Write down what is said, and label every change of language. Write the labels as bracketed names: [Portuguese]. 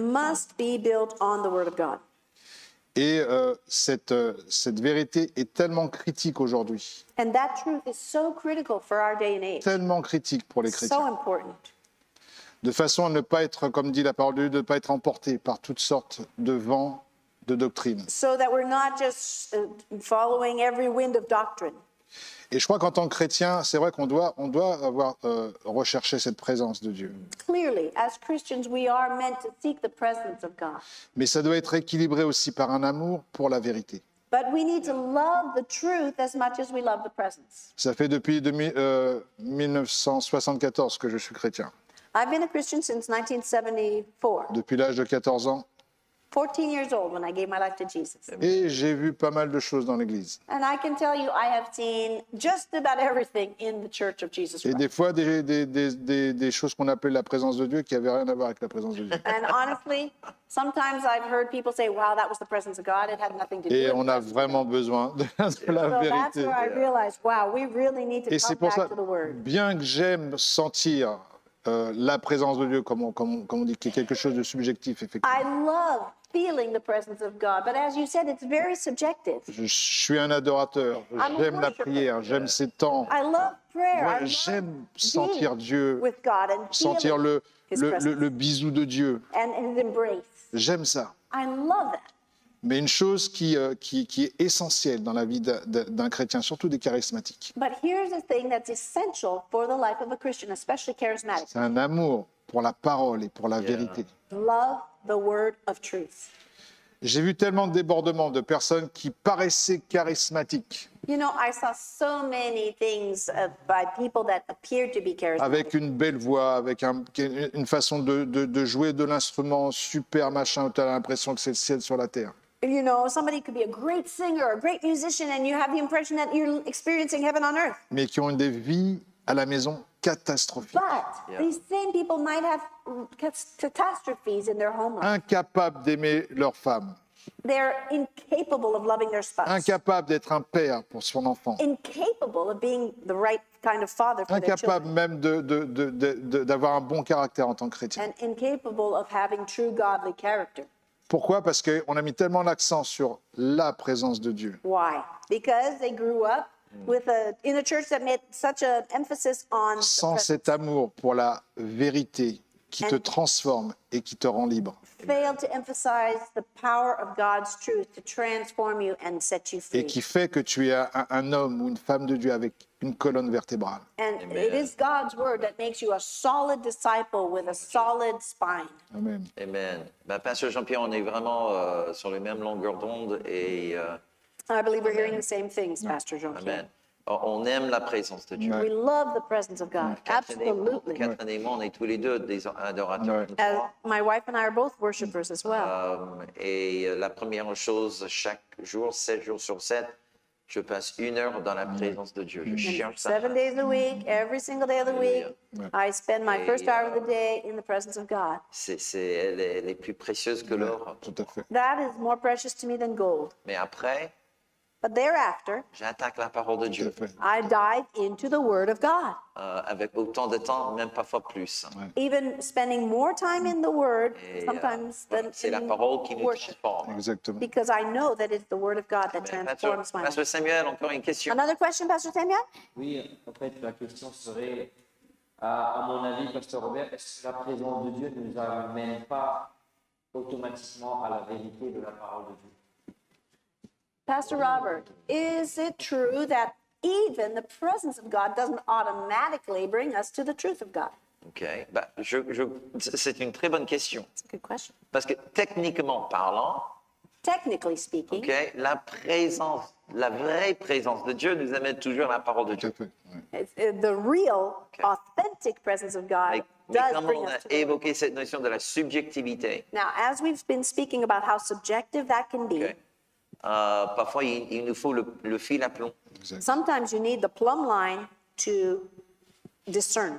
[English] Must be built on the word of God. [French] Et cette vérité est tellement critique aujourd'hui. [English] And that truth is so critical for our day and age. [French] Tellement critique pour les chrétiens. [English] So important. [French] De façon à ne pas être, comme dit la parole de Dieu, de ne pas être emporté par toutes sortes de vents de doctrine. [English] So that we're not just following every wind of doctrine. [French] Et je crois qu'en tant que chrétien, c'est vrai qu'on doit, on doit avoir recherché cette présence de Dieu. [English] Clearly, as Christians, we are meant to seek the presence of God. [French] Mais ça doit être équilibré aussi par un amour pour la vérité. [English] But we need to love the truth as much as we love the presence. [French] Ça fait depuis 1974 que je suis chrétien. [English] I've been a Christian since 1974. [French] Depuis l'âge de 14 ans. [English] 14 years old when I gave my life to Jesus. [French] Et j'ai vu pas mal de choses dans l'église. [English] And I can tell you I have seen just about everything in the church of Jesus Christ. [French] Et des fois des choses qu'on appelle la présence de Dieu qui avaient rien à voir avec la présence de Dieu. [English] And honestly, sometimes I've heard people say, "Wow, that was the presence of God. It had nothing to do." [French] Et on a vraiment besoin de la vérité. [English] So that's where I realized, wow, we really need to come back to the word. [French] Bien que j'aime sentir la présence de Dieu, comme on dit, qui est quelque chose de subjectif, effectivement. Je suis un adorateur, j'aime la prière, j'aime ces temps. J'aime sentir Dieu, sentir le bisou de Dieu. J'aime ça. Mais une chose qui est essentielle dans la vie d'un chrétien, surtout des charismatiques, c'est un amour pour la parole et pour la vérité. [English] Love the word of truth. [French] J'ai vu tellement de débordements de personnes qui paraissaient charismatiques. [English] You know, I saw so many things by people that appeared to be charismatic. [French] Avec une belle voix, avec une façon de jouer de l'instrument, super machin, où tu as l'impression que c'est le ciel sur la terre. [English] You know, somebody could be a great singer, a great musician, and you have the impression that you're experiencing heaven on earth. [French] Mais qui ont des vies à la maison catastrophiques. [English] But these same people might have catastrophes in their home life. [French] Incapables d'aimer leur femme. [English] They're incapable of loving their spouse. [French] Incapables d'être un père pour son enfant. [English] Incapable of being the right kind of father for incapable their children. [French] Incapable même de d'avoir un bon caractère en tant que chrétien. [English] And incapable of having true godly character. [French] Pourquoi? Parce qu'on a mis tellement l'accent sur la présence de Dieu. [English] Why? Because they grew up with in a church that made such an emphasis on. [French] Sans cet amour pour la vérité qui te transforme et qui te rend libre. [English] Failed to emphasize the power of God's truth to transform you and set you free. [French] Et qui fait que tu es un homme ou une femme de Dieu avec une colonne vertébrale. [English] And it is God's word that makes you a solid disciple with a solid spine. Amen. Amen. [French] Bah, Pasteur Jean-Pierre, on est vraiment sur les mêmes longueurs d'onde et. [English] I believe we're hearing the same things, Pastor Jean-Pierre. [French] Amen. On aime la présence de Dieu. [English] We love the presence of God. Absolutely. [French] Catherine et moi, on est tous les deux des adorateurs. [English] My wife and I are both worshippers as well. [French] Et la première chose, chaque jour, 7 jours sur 7, je passe une heure dans la présence de Dieu. Je cherche ça. [English] 7 days a week, every single day of the week, I spend my first hour of the day in the presence of God. [French] Elle est plus précieuse que l'or. Tout à fait. [English] That is more precious to me than gold. [French] Mais après, [English] but thereafter, [French] j'attaque la parole de Dieu. [English] I dive into the word of God. [French] Avec autant de temps, même parfois plus. Ouais. [English] Even spending more time in the word, sometimes than [French] c'est la parole qui nous transforme. Exactement. [English] Because I know that it's the word of God that transforms my life. [French] Pastor Samuel, encore une question. [English] Another question, Pastor Samuel? [French] Oui, en fait, la question serait, à mon avis, Pastor Robert, est-ce que la présence de Dieu ne nous amène pas automatiquement à la vérité de la parole de Dieu? [English] Pastor Robert, is it true that even the presence of God doesn't automatically bring us to the truth of God? [French] Okay, bah, c'est une très bonne question. [English] It's a good question. [French] Parce que techniquement parlant, [English] technically speaking, [French] okay, la présence, la vraie présence de Dieu nous amène toujours à la parole de Dieu. [English] The real, authentic presence of God. [French] Mais comme on a évoqué cette notion de la subjectivité. [English] Now, as we've been speaking about how subjective that can be. Okay. [French] Parfois, il nous faut le fil à plomb. [English] Sometimes you need the plumb line to discern.